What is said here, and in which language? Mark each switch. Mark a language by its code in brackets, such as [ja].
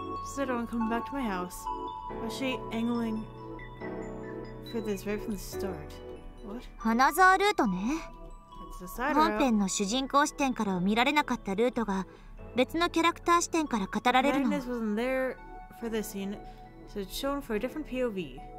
[en] She said I'm coming back to my house. Was she angling for this right from the start? What? Hanaza route, ne? It's a side route. [ja] 本編の主人公視点からは見られなかったルートが別のキャラクター視点から語られるの。 [en] Agnes wasn't there for this scene, so it's shown for a different POV.